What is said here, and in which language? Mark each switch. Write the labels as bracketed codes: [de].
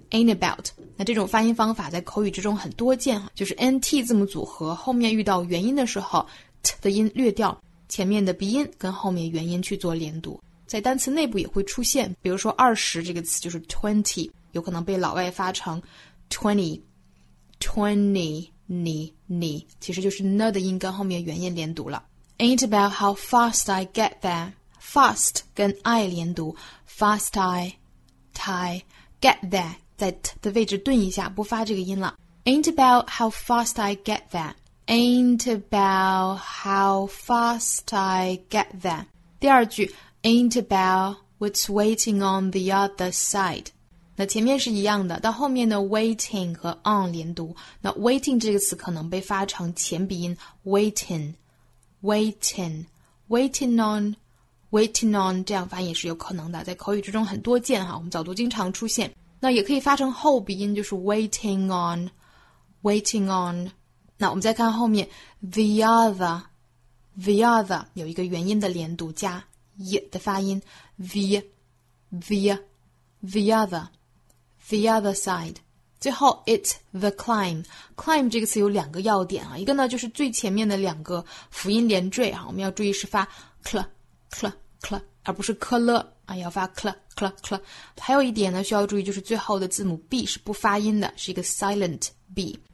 [zh] about 那这种发音方法在口语之中很多见，就是 nt 字母组合后面遇到元音的时候 t 的音略掉，前面的鼻音跟后面元音去做连读，在单词内部也会出现，比如说二十这个词就是 twenty， 有可能被老外发成 twenty 其实就是 n 的音跟后面元音连读了。 [en] ain't about how fast I get thereFast 跟 I 连读 ，fast I get there， 在 t 的位置顿一下，不发这个音了。 Ain't about how fast I get there。第二句，Ain't about what's waiting on the other side。 [zh] 那前面是一样的，到后面的 waiting 和 on 连读，那 waiting 这个词可能被发成前鼻音 ， waiting on。 Waiting on 这样发音也是有可能的，在口语之中很多见哈，我们早读经常出现。那也可以发成后鼻音，就是 waiting on。那我们再看后面 the other 有一个元音的连读加 y 的发音 the other side。 [en] 最后 it's the climb。 [zh] climb 这个词有两个要点啊，一个呢就是最前面的两个辅音连缀哈，我们要注意是发 cl 而不是科勒啊，要发 cl。还有一点呢，需要注意就是最后的字母 b 是不发音的，是一个 silent b。